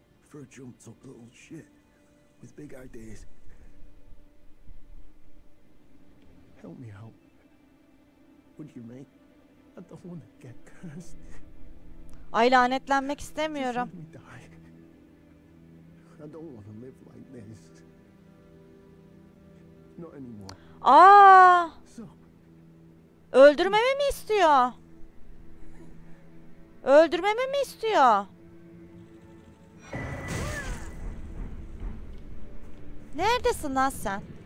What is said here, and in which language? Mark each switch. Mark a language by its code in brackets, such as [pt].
[en] For a jumped up little shit with big ideas. Help me out. Would you mate? I don't want to get cursed. [tr] Ay lanetlenmek istemiyorum. [en] I don't want to live like this. Not anymore. Aa! [tr] So, öldürmemi mi istiyor? Öldürmemi mi istiyor? Neredesin lan sen?